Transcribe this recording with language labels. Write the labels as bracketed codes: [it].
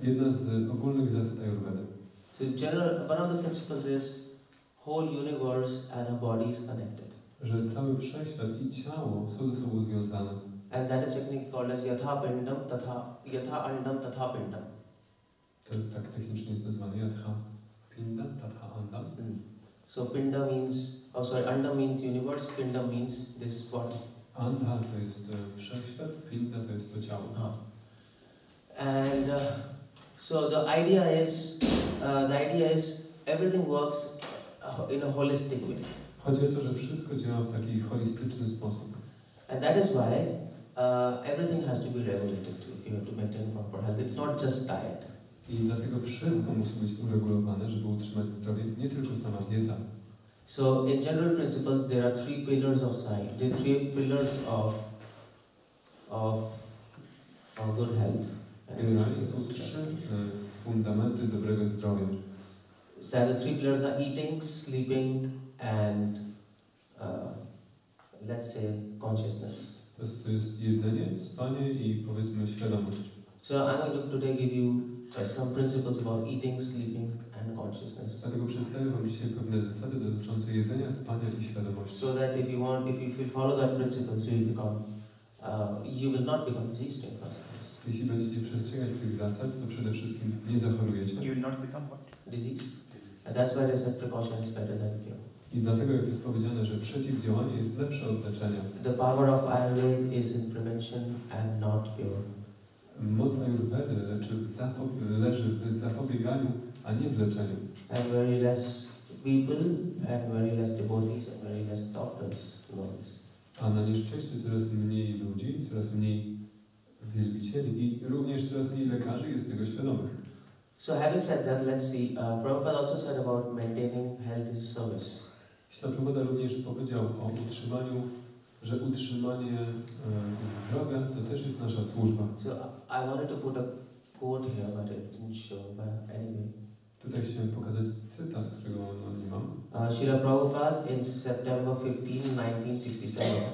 [pl] Jedna z ogólnych zasad Ayurvedy. [en] So general, one of the principles is whole universe and a body is connected. [pl] Że cały wszechświat i ciało są ze sobą związane. [en] And that is technically called as [sa] yatha andam tatha pindam. [pl] Tak technicznie jest nazwane [sa] yatha pindam tatha andam. [en] So pinda means, anda means universe, pinda means this body. [pl] Anda to jest wszechświat, pinda to jest to ciało. [en] And so the idea is everything works in a holistic way. [pl] Chodzi o to, że wszystko działa w taki holistyczny sposób. [en] And that is why everything has to be regulated if you have to maintain proper health. It's not just diet. [pl] I dlatego wszystko musi być uregulowane, żeby utrzymać zdrowie, nie tylko sama dieta. [en] So in general principles there are three pillars of science, the three pillars of good health. [pl] Generalnie są trzy fundamenty dobrego zdrowia. [en] So the three pillars are eating, sleeping and let's say consciousness. [pl] To jest jedzenie, spanie i powiedzmy świadomość. [en] So I'm going to today give you some principles about eating, sleeping and consciousness. [pl] Dlatego przedstawię wam dzisiaj pewne zasady dotyczące jedzenia, spania i świadomości. [en] So that if you follow that principles, you will not become diseased in first place. [pl] Jeśli będziecie przestrzegać tych zasad, to przede wszystkim nie zachorujecie. [en] You will not become what? Diseased. And that's why they said precaution is better than cure. [pl] I dlatego, jak jest powiedziane, że przeciwdziałanie jest lepsze od leczenia. [en] The power of Ayurveda is in prevention and not cure. [pl] Moc Ayurvedy leży w zapobieganiu, a nie w leczeniu. [en] And very less people, and very less devotees, and very less doctors know this. [pl] A na nieszczęście coraz mniej ludzi, coraz mniej wielbicieli i również coraz mniej lekarzy jest tego świadomych. [en] So having said that, let's see. Prabhupada also said about maintaining health is service. [pl] Śląska Prabhupada również powiedział o utrzymaniu, że utrzymanie zdrowia to też jest nasza służba. [en] So I wanted to put a quote here, but it didn't show, but anyway. [pl] Tutaj chciałem pokazać cytat, którego nie mam. [en] Śrīla Prabhupāda in September 15, 1967.